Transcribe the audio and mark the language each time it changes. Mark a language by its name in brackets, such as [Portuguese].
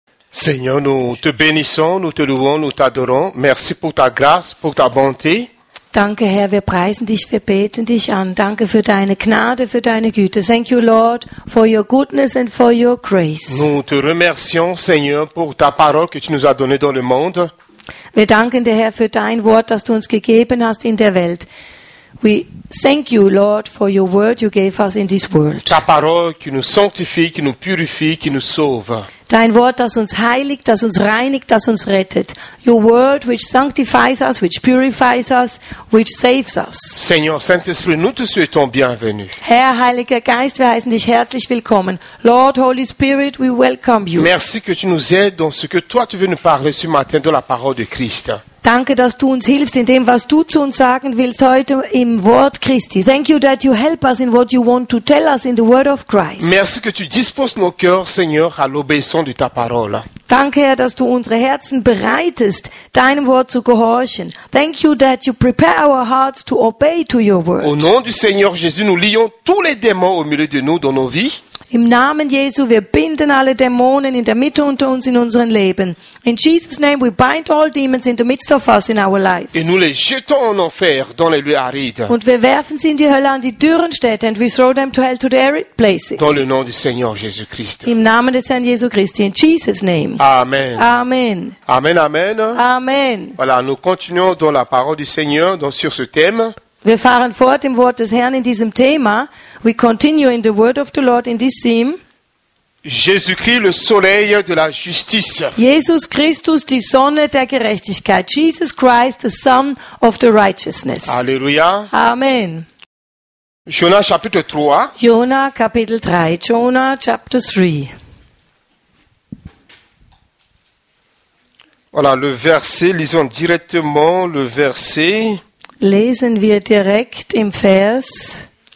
[French] Seigneur, nous te bénissons, nous te louons, nous t'adorons. Merci pour ta grâce, pour ta bonté. [German] Danke, Herr, wir preisen dich, wir beten dich an. Danke für deine Gnade, für deine Güte. [English] Thank you, Lord, for your goodness and for your grace. [French] Nous te remercions, Seigneur, pour ta parole que tu nous as donnée dans le monde. [German] Wir danken dir, Herr, für dein Wort, das du uns gegeben hast in der Welt. [English] We thank you, Lord, for your word you gave us in this world. [French] Ta parole qui nous sanctifie, qui nous purifie, qui nous sauve. [German] Dein Wort, das uns heiligt, das uns reinigt, das uns rettet. [English] Your word, which sanctifies us, which purifies us, which saves us. [French] Seigneur, Saint-Esprit, nous te souhaitons bienvenue. [German] Herr, Heiliger Geist, wir heißen dich herzlich willkommen. [English] Lord, Holy Spirit, we welcome you. [French] Merci que tu nous aides dans ce que toi tu veux nous parler ce matin dans la parole de Christ. [German] Danke, dass du uns hilfst in dem, was du zu uns sagen willst heute im Wort Christi. [English] Thank you that you help us in what you want to tell us in the word of Christ. [French] Merci que tu disposes nos cœurs, Seigneur, à l'obéissance de ta parole. [German] Danke, Herr, dass du unsere Herzen bereitest, deinem Wort zu gehorchen. [English] Thank you that you prepare our hearts to obey to your word. [French] Au nom du Seigneur Jésus, nous lions tous les démons au milieu de nous dans nos vies. [German] Im Namen Jesu, wir binden alle Dämonen in der Mitte unter uns in unseren Leben. [English] In Jesus' name, we bind all demons in the midst of us in our lives. [French] Et nous les jetons en enfer dans les lieux arides. [German] Und wir werfen sie in die Hölle, an die dürren Städte, [English] and we throw them to hell to the arid places. [French] Dans le nom du Seigneur Jésus Christ. [German] Im Namen des Herrn Jesu Christi, [English] in Jesus' name. Amen. Amen. Amen, amen. Amen. [French] Voilà, nous continuons dans la parole du Seigneur, donc sur ce thème. [German] Wir fahren fort im Wort des Herrn in diesem Thema. [English] We continue in the word of the Lord in this theme. [French] Jésus-Christ, le soleil de la justice. [German] Jesus Christus, die Sonne der Gerechtigkeit. [English] Jesus Christ, the Son of the Righteousness. Alléluia. Amen. [French] Jonas chapitre 3. [German] Jonah Kapitel 3. [English] Jonah chapter 3. [French] Voilà le verset, lisons directement le verset. [German] Lesen wir direkt im Vers.